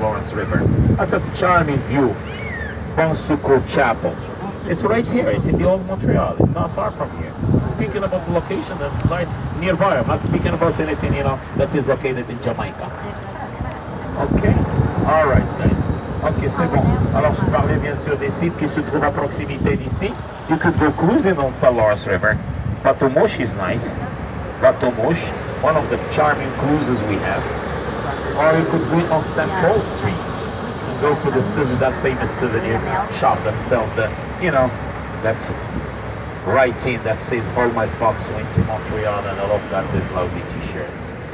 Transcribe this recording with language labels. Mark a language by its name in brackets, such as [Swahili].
[English] Lawrence River. That's a charming view. Pont Secours Chapel. It's right here. It's in the old Montreal. It's not far from here. Speaking about the location and site nearby, I'm not speaking about anything, you know, that is located in Jamaica. Okay? All right, guys. Okay, [French] c'est bon. Alors, je parlais bien sûr des sites qui se trouvent à proximité d'ici. [English] You could go cruising on St. Lawrence River. Patomosh is nice. Patomosh, one of the charming cruises we have. Or you could go on St. Paul Street and go to the that famous souvenir shop that sells the, you know, that's writing that says, all my fox went to Montreal and all of that, these lousy t-shirts.